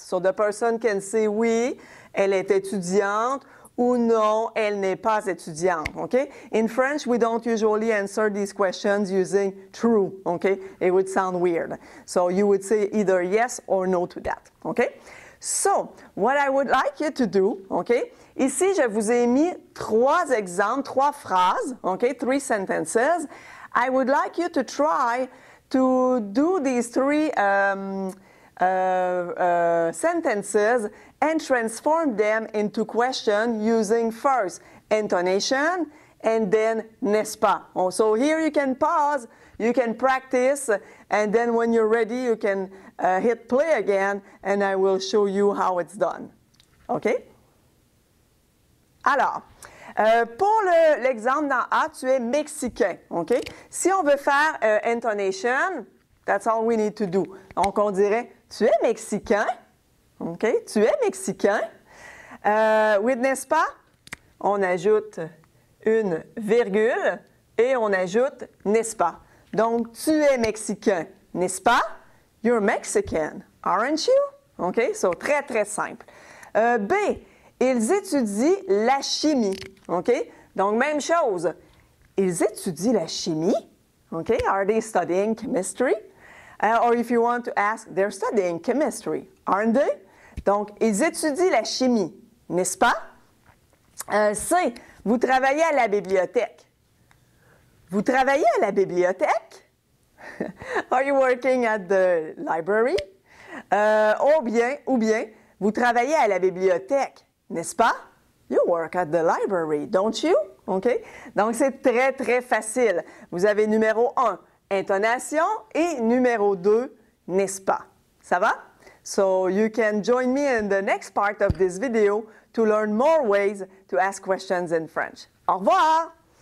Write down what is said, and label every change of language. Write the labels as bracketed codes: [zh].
[fr] So the person can say oui, elle est étudiante, ou non, elle n'est pas étudiante, OK? [en] In French, we don't usually answer these questions using true, OK? It would sound weird. So you would say either yes or no to that, OK? So, what I would like you to do, OK? [fr] Ici, je vous ai mis trois exemples, trois phrases, OK? [en] Three sentences. I would like you to try to do these three sentences and transform them into questions using first intonation and then n'est-ce pas? So, here you can pause, you can practice, and then when you're ready, you can hit play again and I will show you how it's done. OK? [fr] Alors, pour l'exemple dans A, tu es Mexicain, OK? [en] Si on veut faire intonation, that's all we need to do. [fr] Donc, on dirait, tu es Mexicain, OK? Tu es Mexicain. With n'est-ce pas, on ajoute une virgule et on ajoute n'est-ce pas. Donc, tu es Mexicain, n'est-ce pas? You're Mexican, aren't you? OK? So, très, très simple. B. Ils étudient la chimie, OK? Donc, même chose. Ils étudient la chimie, OK? Are they studying chemistry? [en] Or if you want to ask, they're studying chemistry, aren't they? [fr] Donc, ils étudient la chimie, n'est-ce pas? C. Vous travaillez à la bibliothèque. Vous travaillez à la bibliothèque? Are you working at the library? Ou bien, vous travaillez à la bibliothèque, n'est-ce pas? [en] You work at the library, don't you? OK? Donc, c'est très, très facile. [fr] Vous avez numéro 1, intonation, et numéro 2, n'est-ce pas? Ça va? [en] So, you can join me in the next part of this video to learn more ways to ask questions in French. Au revoir!